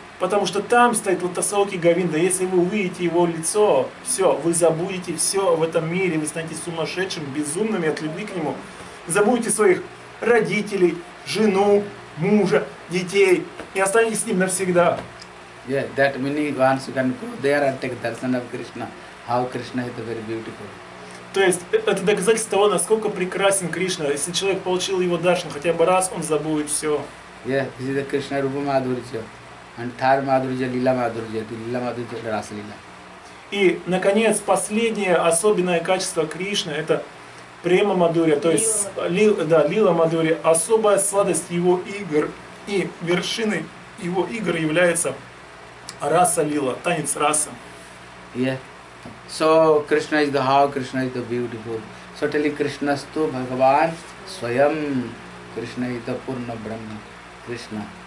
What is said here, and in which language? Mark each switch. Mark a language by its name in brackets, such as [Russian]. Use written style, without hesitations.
[Russian] Потому что там стоит лотосовки Говинда. Если вы увидите его лицо, все, вы забудете все в этом мире. Вы станете сумасшедшим, безумными от любви к нему. Забудете своих родителей, жену, мужа, детей. И останетесь с ним навсегда. [English] Yeah, that meaning once you can go there and take darshan of Krishna, how Krishna is very beautiful. [Russian] То есть, это доказательство того, насколько прекрасен Кришна. Если человек получил его даршан, хотя бы раз, он забудет все. [English] Yeah, this is the Krishna Rupa Madhurya. And Thar Madhurya, Lila Madhurya. Lila Madhurya, Ras Lila. [Russian] И, наконец, последнее особенное качество Кришны – это према Мадурья, то есть лила Мадурья. Особая сладость его игр и вершины его игр является раса лила, танец расы. [English] Yeah. So Krishna is the how, Krishna is the beautiful. So tell you, Krishna is the Bhagavan, Swayam, Krishna is the Purna Brahma, Krishna.